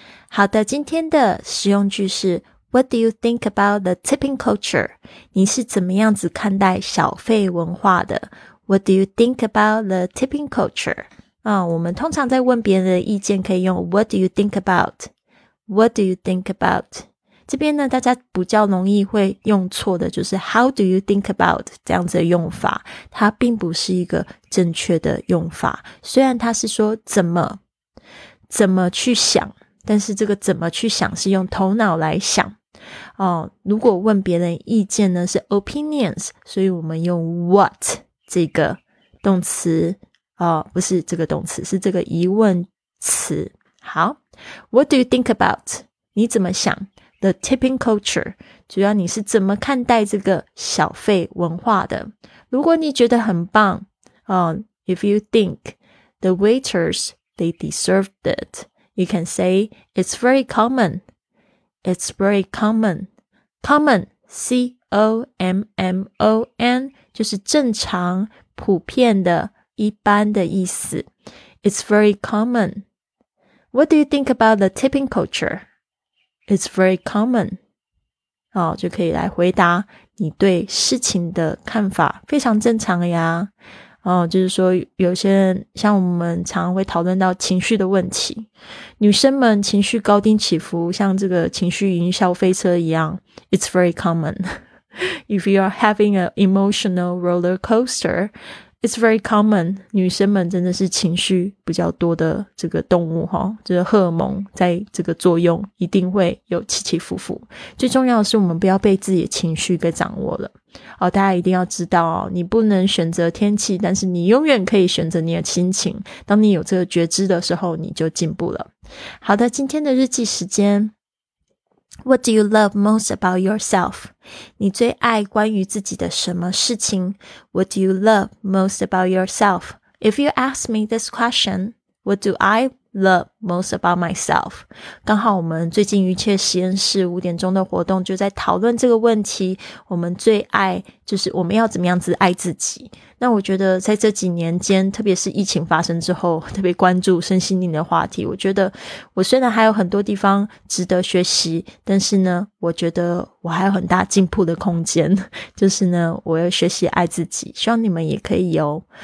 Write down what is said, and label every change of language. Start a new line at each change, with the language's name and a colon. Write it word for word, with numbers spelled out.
Chinese: 好的，今天的实用句是
English: What do you think about the tipping culture?
Chinese: 你是怎么样子看待小费文化的？
English: What do you think about the tipping culture?
Chinese: 啊，我们通常在问别人的意见可以用
English: What do you think about? What do you think about?
Chinese: 这边呢，大家比较容易会用错的就是
English: How do you think about?
Chinese: 这样子的用法，它并不是一个正确的用法。虽然它是说怎么怎么去想，但是这个怎么去想是用头脑来想。哦，如果问别人意见呢，是 opinions， 所以我们用 what 这个动词，哦，不是这个动词，是这个疑问词。好，
English: What do you think about？
Chinese: 你怎么想
English: The tipping culture？
Chinese: 主要你是怎么看待这个小费文化的？如果你觉得很棒，哦，
English: If you think the waiters they deserved it， you can say it's very common. It's very common. Common, C O M M O N,
Chinese: 就是正常、普遍的、一般的意思。
English: It's very common. What do you think about the tipping culture? It's very common.
Chinese: 哦，就可以来回答你对事情的看法，非常正常呀。哦，就是说有些人像我们常常会讨论到情绪的问题，女生们情绪高低起伏，像这个情绪云霄飞车一样
English: It's very common. If you are having an emotional roller coaster, It's very common.
Chinese: 女生们真的是情绪比较多的这个动物，哦，就是荷尔蒙在这个作用，一定会有起起伏伏。最重要的是我们不要被自己的情绪给掌握了。哦，大家一定要知道，哦，你不能选择天气，但是你永远可以选择你的心情。当你有这个觉知的时候，你就进步了。好的，今天的日记时间。
English: What do you love most about yourself?
Chinese: 你最爱关于自己的什么事情？
English: What do you love most about yourself? If you ask me this question, what do I love most about myself?
Chinese: 刚好我们最近一切实验室五点钟的活动就在讨论这个问题，我们最爱就是我们要怎么样子爱自己。那我觉得在这几年间，特别是疫情发生之后，特别关注身心灵的话题。我觉得我虽然还有很多地方值得学习，但是呢我觉得我还有很大进步的空间，就是呢我要学习爱自己，希望你们也可以有。